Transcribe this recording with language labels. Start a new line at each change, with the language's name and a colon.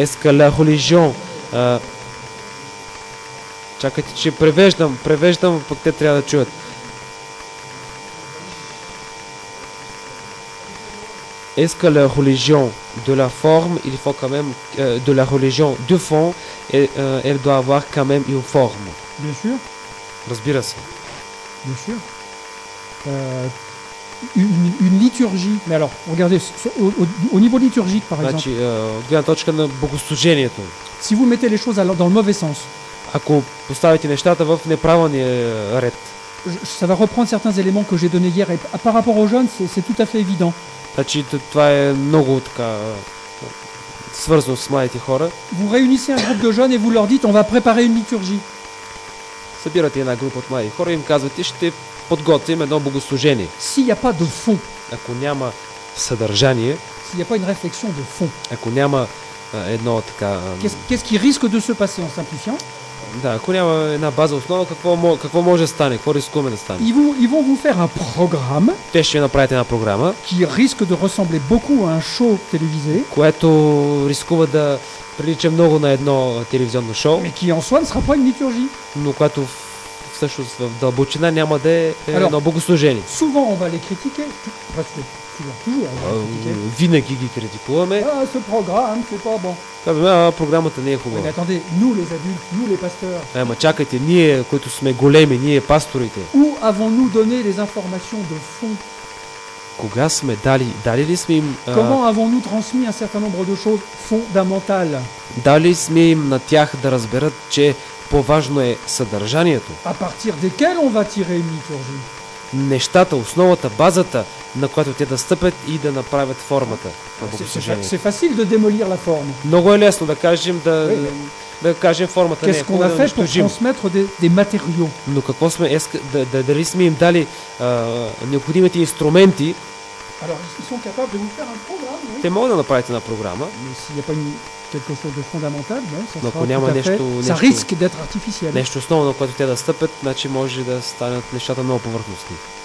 French: Est-ce que la religion,
Bulgarian: чакайте, че превеждам, пък те трябва да чуят.
French: Est-ce que la religion de la forme, il faut quand même de la religion de fond, elle doit avoir quand même une forme. Bien sûr.
Bulgarian: Разбира се.
French: Bien sûr. Une liturgie. Mais alors, regardez au niveau liturgique, par exemple.
Bulgarian: Значи, от гледна точка на богослужението.
French: Si vous mettez les choses dans le mauvais sens.
Bulgarian: Ако поставите нещата в неправилния ред.
French: Ça va reprendre certains éléments que j'ai donnés hier. Et par rapport aux jeunes, c'est tout à fait évident.
Bulgarian: Значи, това е много така свързано с младите хора.
French: Vous réunissez un groupe de jeunes et vous leur dites on va préparer une liturgie.
Bulgarian: Събирате една група от млади хора и им казвате ще подготвим едно богослужение.
French: S'il n'y a pas de fond.
Bulgarian: Ако няма съдържание.
French: S'il n'y a pas une réflexion de fond.
Bulgarian: Ако няма едно така.
French: Qu'est-ce qui risque de se passer en simplifiant?
Bulgarian: Да, ако няма една база основа, какво може да стане, какво рискуваме да стане?
French: Ils vont vous faire un programme.
Bulgarian: Те ще направят една програма,
French: qui risque de ressembler beaucoup à un show télévisé.
Bulgarian: Което рискува да прилича много на едно телевизионно шоу.
French: Mais qui en soi ne sera pas une liturgie.
Bulgarian: Но което всъщност в дълбочина няма да е едно богослужение.
French: Souvent on va les critiquer, parce que toujours.
Bulgarian: Винаги ги критикуваме.
French: Ah, ce programme, c'est pas bon.
Bulgarian: Програмата не е хубава.
French: Mais attendez, nous les adultes, nous les pasteurs.
Bulgarian: Ама чакайте, ние, които сме големи, ние пасторите.
French: Où avons-nous donné les informations de fond?
Bulgarian: Кога сме дали ли сме им?
French: Comment avons-nous transmis un certain nombre de choses fondamentales?
Bulgarian: Дали сме им на тях да разберат, че по-важно е съдържанието?
French: À partir desquels on va tirer une liturgie?
Bulgarian: Нещата, основата, базата, на която те да стъпят и да направят формата на богослужението.
French: C'est facile de démolir la forme.
Bulgarian: Много е лесно да кажем да кажем формата.
French: Qu'est-ce qu'on a fait pour transmettre des matériaux?
Bulgarian: Но какво сме дали сме им дали необходимите инструменти?
French: Alors, ils sont capables de vous faire un programme, oui.
Bulgarian: Те могат да направят една програма.
French: Mais s'il n'y a pas quelque chose de fondamental, non, ça
Bulgarian: Но ако няма нещо,
French: fait, нещо, ça risque d'être artificiel.
Bulgarian: Нещо основно, на което те да стъпят, значи може да станат нещата много повърхностни.